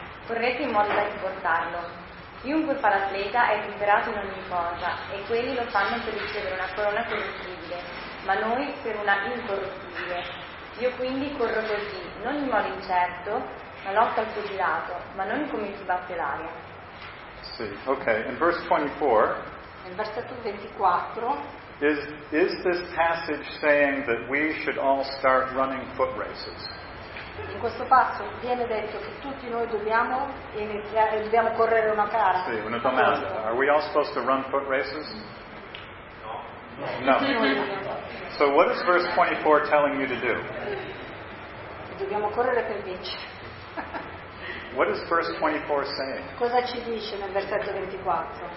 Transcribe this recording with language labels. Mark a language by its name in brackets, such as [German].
[Italian] Correte in modo da riportarlo. Chiunque fa l'atleta è temperato in ogni cosa, e quelli lo fanno per ricevere una corona corruttibile, ma noi per una incorruttibile. Io quindi corro così, non in modo incerto, ma lotto al pugilato, ma non come chi batte l'aria. [English] Sì, ok, in verse 24. [Italian] Nel versetto 24. [English] Is this passage saying that we should all start running foot races? [Italian] In questo passo viene detto che tutti noi dobbiamo iniziare, dobbiamo correre una gara. Sì, una domanda. [English] Are we all supposed to run foot races? No. [Italian] No. [English] So what is verse 24 telling you to do? [Italian] Dobbiamo correre per vincere. [English] What is verse 24 saying? [Italian] Cosa ci dice nel versetto 24?